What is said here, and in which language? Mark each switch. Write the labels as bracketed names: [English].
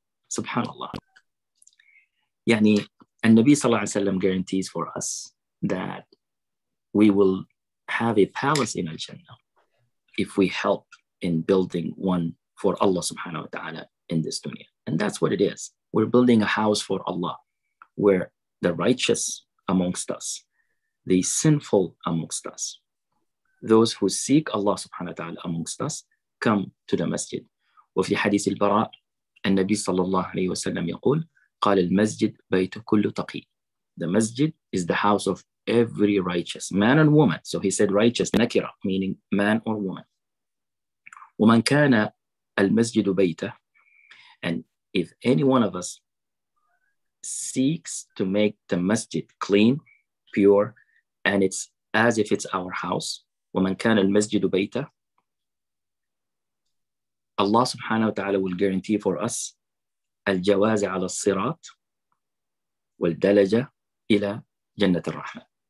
[English] Subhanallah. Yani, and Nabi sallallahu alayhi wa sallam guarantees for us that we will have a palace in Al-Jannah if we help in building one for Allah subhanahu wa ta'ala in this dunya. And that's what it is. We're building a house for Allah, where the righteous amongst us, the sinful amongst us, those who seek Allah subhanahu wa ta'ala amongst us, come to the masjid. [Arabic] وفي حديث البراء النبي صلى الله عليه وسلم يقول قال المسجد بيت كل تقي. [English] The masjid is the house of every righteous man and woman. So he said righteous نكرة, meaning man or woman. [Arabic] ومن كان المسجد بيته. [English] And if any one of us seeks to make the masjid clean, pure, and it's as if it's our house, [Arabic] وَمَنْ كَانَ الْمَسْجِدُ بَيْتَ, [English] Allah subhanahu wa ta'ala will guarantee for us [Arabic] الْجَوَازِ عَلَى الصِّرَاطِ وَالْدَلَجَ إِلَى جَنَّةِ الرَّحْمَةِ.